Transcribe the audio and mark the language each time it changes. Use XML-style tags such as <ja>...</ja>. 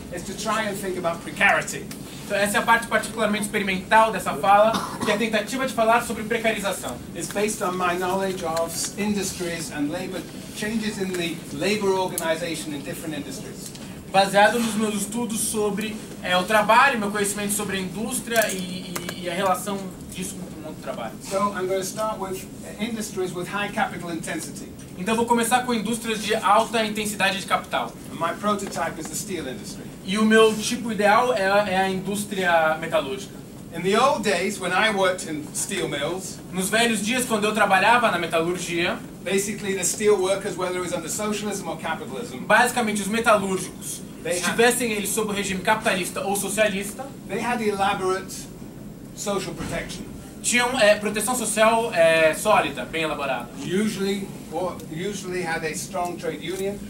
<en>Is to try and think about precarity.</en> <pt>Então essa é a parte particularmente experimental dessa fala, que é a tentativa de falar sobre precarização.</pt> <en>It's based on my knowledge of industries and labor changes in the labor organization in different industries.</en> <pt>Baseado nos meus estudos sobre o trabalho, meu conhecimento sobre a indústria e a relação disso com o mundo do trabalho.</pt> <en>So I'm going to start with industries with high capital intensity.</en> <pt>Então vou começar com indústrias de alta intensidade de capital.</pt> <en>My prototype is the steel industry.</en> <pt>E o meu tipo ideal é a indústria metalúrgica.</pt> <en>In the old days when I worked in steel mills,</en> <pt>nos velhos dias quando eu trabalhava na metalurgia,</pt> <en>basically the steel workers, whether it was under socialism or capitalism,</en> <pt>basicamente os metalúrgicos, eles sob o regime capitalista ou socialista,</pt> <en>they had elaborate social protection.</en> <pt>Tinham proteção social sólida, bem elaborada.</pt> <en>Usually had a strong trade union.</en>